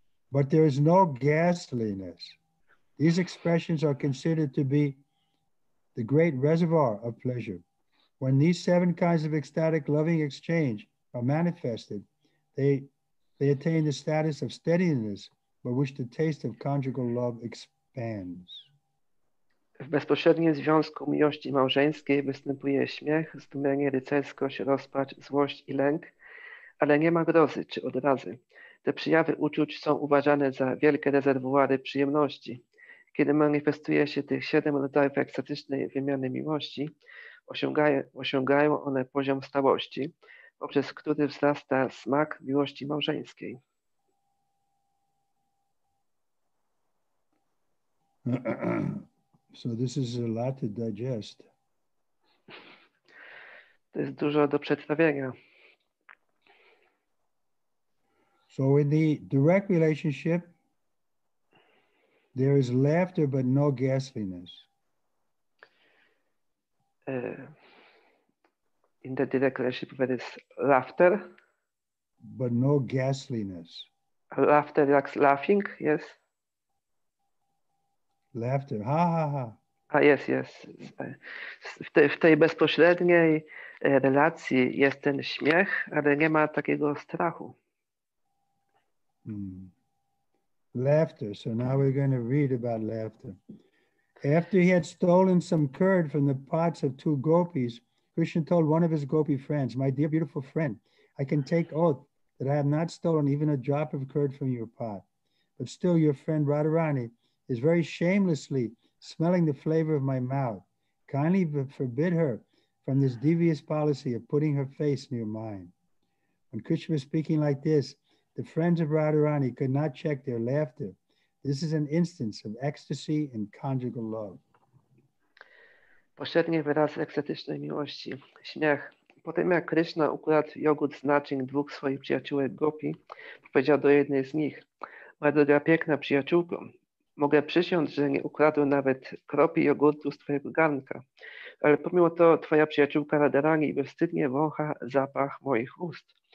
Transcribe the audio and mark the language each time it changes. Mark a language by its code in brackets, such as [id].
[en] But there is no ghastliness. These expressions are considered to be the great reservoir of pleasure. When these seven kinds of ecstatic loving exchange are manifested, they attain the status of steadiness by which the taste of conjugal love expands. [pl] W bezpośrednim związku miłości małżeńskiej występuje śmiech, zdumienie, rycerskość, rozpacz, złość i lęk, ale nie ma grozy czy odrazy. Te przejawy uczuć są uważane za wielkie rezerwuary przyjemności. Kiedy manifestuje się tych siedem rodzajów ekstatycznej wymiany miłości, osiągają one poziom stałości, poprzez który wzrasta smak miłości małżeńskiej. [en] So this is a lot to digest. [pl] To jest dużo do przetrawienia. [en] So in the direct relationship, there is laughter, but no ghastliness. In the direct relationship, there is laughter. But no ghastliness. Laughter, like laughing, yes. Laughter, ha ha ha. A yes, yes. [pl] W tej bezpośredniej relacji jest ten śmiech, ale nie ma takiego strachu. [en] Laughter. So now we're going to read about laughter. After he had stolen some curd from the pots of two gopis, Krishna told one of his gopi friends, "My dear beautiful friend, I can take oath that I have not stolen even a drop of curd from your pot. But still your friend Radharani is very shamelessly smelling the flavor of my mouth. Kindly forbid her from this devious policy of putting her face near mine." When Krishna was speaking like this, the friends of Radharani could not check their laughter. This is an instance of ecstasy and conjugal love. [pl] Pośrednie wyrazy ekstatycznej miłości, śmiech. Potem jak Krishna ukradł jogurt z naczyń dwóch swoich przyjaciółek gopi, powiedział do jednej z nich: "Moja droga piękna przyjaciółko, mogę przysiąc, że nie ukradłem nawet kropi jogurtu z twojego garnka, ale pomimo to twoja przyjaciółka Radharani bezwstydnie wącha zapach moich ust.